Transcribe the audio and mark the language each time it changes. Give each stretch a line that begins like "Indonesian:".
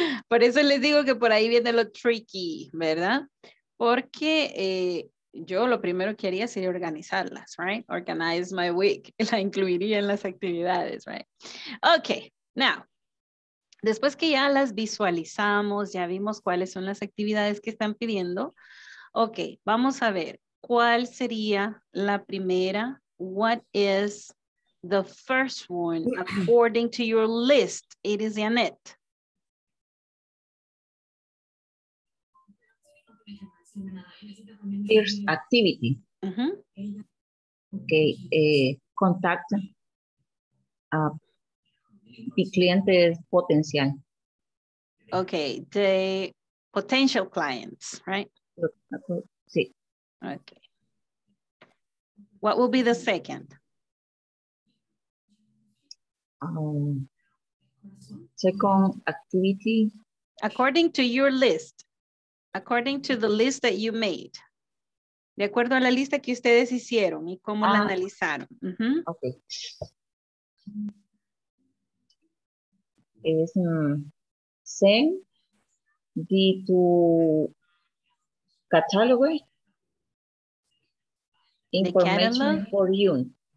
Spanish: Por eso les digo que por ahí viene lo tricky, ¿verdad? Porque yo lo primero que haría sería organizarlas,
English: right? Organize my week.
Spanish: La incluiría en las actividades,
English: right? Okay, now.
Spanish: Después que ya las visualizamos, ya vimos cuáles son las actividades que están pidiendo. Okay, vamos a ver. ¿Cuál sería la primera?
English: What is the first one according to your list? It is Janet. First activity. Mm-hmm. Okay, contact the
Spanish: clientes potencial.
English: Okay, the potential clients, right?
Spanish: Sí.
English: Okay. What will be the second? Second activity. According to your list. According to the list that you made.
Spanish: De acuerdo a la lista que ustedes hicieron y cómo la analizaron. Mm-hmm. Okay.
English: Es send the to catalog information for you.